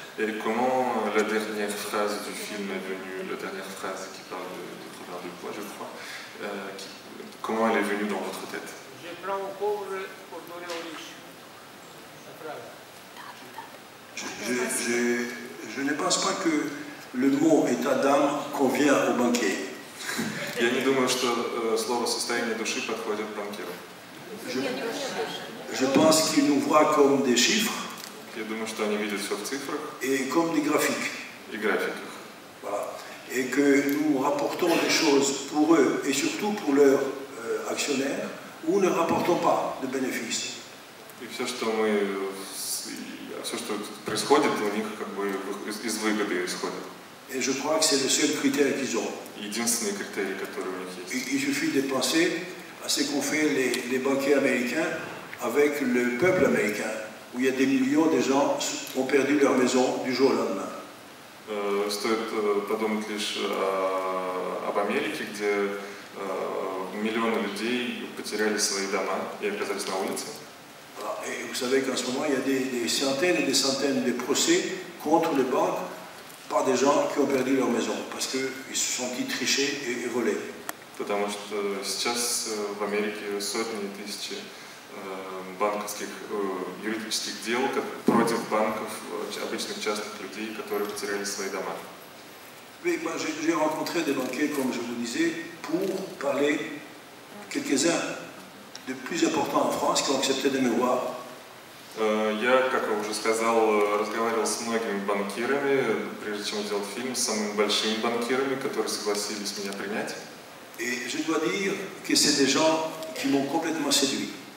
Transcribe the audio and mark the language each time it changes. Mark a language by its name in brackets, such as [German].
[French] Et comment la dernière phrase du film est venue, la dernière phrase qui parle de Robert Dubois, je crois, comment elle est venue dans votre tête? Je prends au pauvre pour donner aux riches. La phrase. Je ne pense pas que le mot état d'âme convient aux banquiers. [Russian] Я не думаю, что слово состояние души подходит банкиру. [French] Je pense qu'ils nous voient comme des chiffres. [Russian] Я думаю, что они видят все в цифрах. [French] Et comme des graphiques. [Russian] И графиках. [French] Voilà. Et que nous rapportons les choses pour eux et surtout pour leurs actionnaires ou ne rapportons pas de bénéfices. [Russian] И все, что происходит у них, как бы из выгоды исходит. [French] Et je crois que c'est le seul critère qu'ils ont. [Russian] Единственный критерий, который у них есть. [French] Il suffit de penser à ce qu'ont fait les banquiers américains avec le peuple américain. Où il y a des millions de gens qui ont perdu leur maison du jour au lendemain. [Russian] Стоит подумать лишь об Америке, где миллионы людей потеряли свои дома и оказались на улице. [French] Et vous savez qu'en ce moment, il y a des centaines et des centaines de procès contre les banques par des gens qui ont perdu leur maison, parce qu'ils se sont dit tricher et voler. [Russian] Потому что сейчас в Америке сотни тысяч банковских, юридических дел против банков, обычных частных людей, которые потеряли свои дома. [French] J'ai rencontré des banquiers, comme je vous disais, pour parler quelques-uns de plus importants en France qui ont accepté de me voir. [Russian] Я, как я уже сказал, разговаривал с многими банкирами, прежде чем сделать фильм, с самыми большими банкирами, которые согласились меня принять. [French] Et je dois dire que c'est des gens qui m'ont complètement séduit.